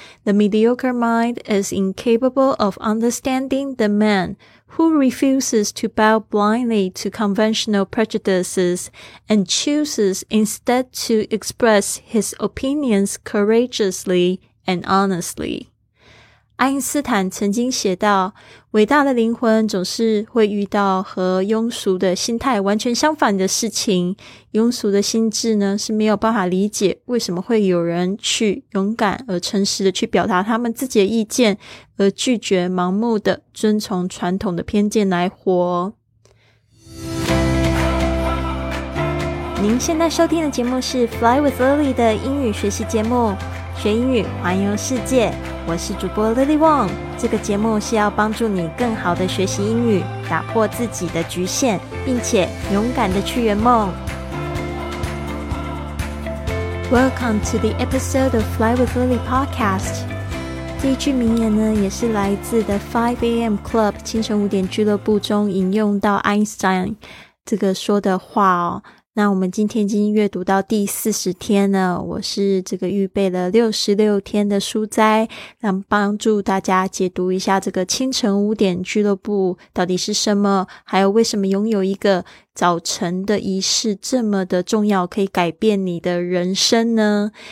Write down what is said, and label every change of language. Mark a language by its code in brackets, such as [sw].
[en] The mediocre mind is incapable of understanding the man who refuses to bow blindly to conventional prejudices and chooses instead to express his opinions courageously and honestly." [zh] 爱因斯坦曾经写道，伟大的灵魂总是会遇到和庸俗的心态完全相反的事情。庸俗的心智呢，是没有办法理解为什么会有人去勇敢而诚实的去表达他们自己的意见，而拒绝盲目的遵从传统的偏见来活。您现在收听的节目是 Fly with Lily 的英语学习节目，学英语环游世界，我是主播 Lily Wong。这个节目是要帮助你更好的学习英语，打破自己的局限，并且勇敢的去圆梦。 [en] Welcome to the episode of Fly with Lily podcast。 [zh] 这一句名言呢，也是来自 The 5AM Club 清晨五点俱乐部中引用到 Einstein 这个说的话哦。那我们今天已经阅读到第40天了，我是这个预备了66天的书斋，让帮助大家解读一下这个清晨五点俱乐部到底是什么，还有为什么拥有一个早晨的仪式这么的重要，可以改变你的人生呢。